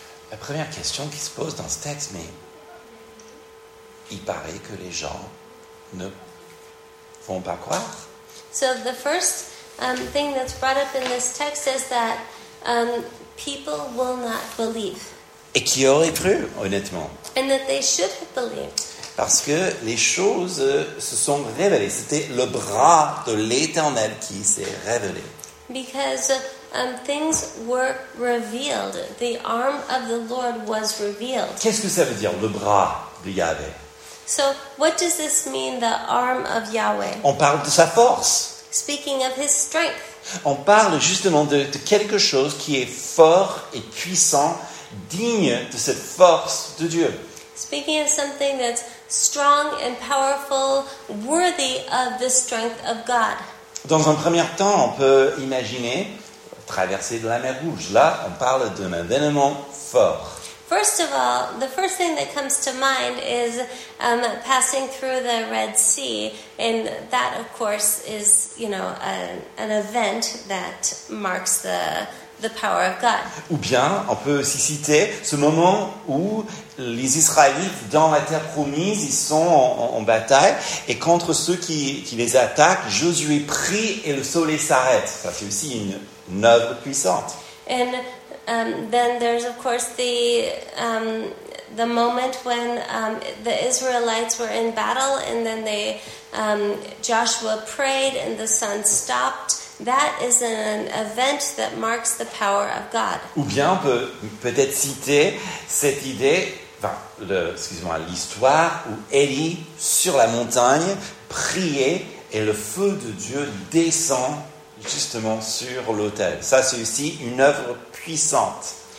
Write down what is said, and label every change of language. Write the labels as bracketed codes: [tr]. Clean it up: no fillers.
[fr] La première question qui se pose dans ce texte, mais il paraît que les gens ne vont pas croire. [en] So the first thing that's brought up in this text is that people will not believe. [fr] Et qui aurait cru, honnêtement? [en] And that they should have believed. [fr] Parce que les choses se sont révélées. C'était le bras de l'Éternel qui s'est révélé. [en] Because things were revealed. The arm of the Lord was revealed. [fr] Qu'est-ce que ça veut dire, le bras de Yahvé? [en] So, what does this mean, the arm of Yahweh? [fr] On parle de sa force. [en] Speaking of his strength. [fr] On parle justement de quelque chose qui est fort et puissant, digne de cette force de Dieu. [en] Speaking of something that's strong and powerful, worthy of the strength of God. [fr] Dans un premier temps, on peut imaginer traverser de la mer Rouge. Là, on parle d'un événement fort. [en] First of all, the first thing that comes to mind is passing through the Red Sea, and that, of course, is, you know, an event that marks the power of God. [fr] Ou bien, on peut aussi citer ce moment où les Israélites, dans la terre promise, ils sont en bataille, et contre ceux qui les attaquent, Josué prie et le soleil s'arrête. Ça fait aussi une œuvre puissante. [en] And then there's of course the moment when the Israelites were in battle and then they Joshua prayed and the sun stopped. That is an event that marks the power of God. [fr] Ou bien on peut peut-être citer cette idée, enfin l'histoire où Élie sur la montagne priait et le feu de Dieu descend justement sur l'autel. Ça c'est aussi une œuvre puissante.